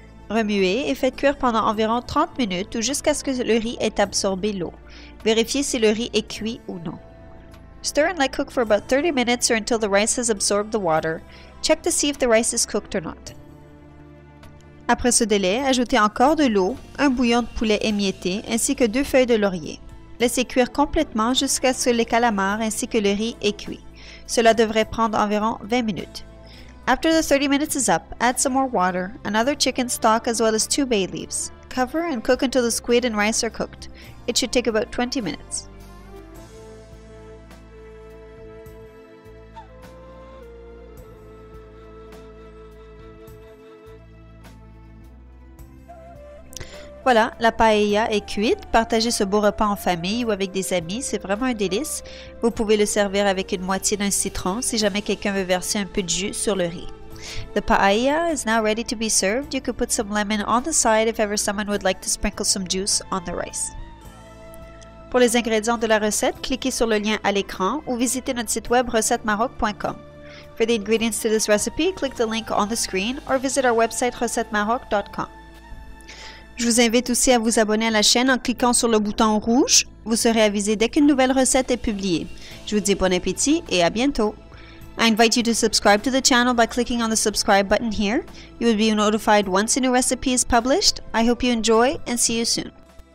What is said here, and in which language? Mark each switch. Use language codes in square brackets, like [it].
[fr] Remuez et faites cuire pendant environ 30 minutes ou jusqu'à ce que le riz ait absorbé l'eau. Vérifiez si le riz est cuit ou non. [en] Stir and let cook for about 30 minutes or until the rice has absorbed the water. Check to see if the rice is cooked or not. [fr] Après ce délai, ajoutez encore de l'eau, un bouillon de poulet émietté ainsi que deux feuilles de laurier. Laissez cuire complètement jusqu'à ce que les calamars ainsi que le riz aient cuit. Cela devrait prendre environ 20 minutes. [en] After the 30 minutes is up, add some more water, another chicken stock as well as two bay leaves. Cover and cook until the squid and rice are cooked. It should take about 20 minutes. [fr] Voilà, la paella est cuite. Partagez ce beau repas en famille ou avec des amis, c'est vraiment un délice. Vous pouvez le servir avec une moitié d'un citron si jamais quelqu'un veut verser un peu de jus sur le riz. [en] The paella is now ready to be served. You could put some lemon on the side if ever someone would like to sprinkle some juice on the rice. [fr] Pour les ingrédients de la recette, cliquez sur le lien à l'écran ou visitez notre site web recettemaroc.com. [en] For the ingredients to this recipe, click the link on the screen or visit our website recettemaroc.com. [fr] Je vous invite aussi à vous abonner à la chaîne en cliquant sur le bouton rouge. Vous serez avisé dès qu'une nouvelle recette est publiée. Je vous dis bon appétit et à bientôt. [en] I invite you to subscribe to the channel by clicking on the subscribe button here. You will be notified once a new recipe is published. I hope you enjoy and see you soon.